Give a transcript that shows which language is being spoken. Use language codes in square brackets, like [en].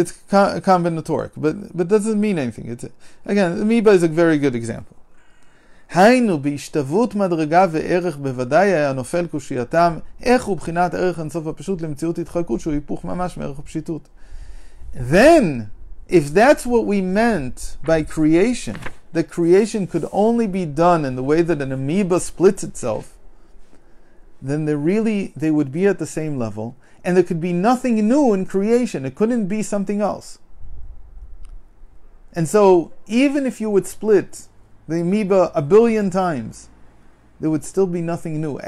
[en] It's combinatoric, but doesn't mean anything. Again, amoeba is a very good example. [he] היינו בהשתוות מדרגה וערך בוודאי היה נופל קושייתם איך הוא בחינת ערך אינסוף הפשוט למציאות התחלקות שהוא היפוך ממש מערך הפשיטות. [en] Then, if that's what we meant by creation, that creation could only be done in the way that an amoeba splits itself, then they would be at the same level, and there could be nothing new in creation. It couldn't be something else. And so, even if you would split the amoeba a billion times, there would still be nothing new.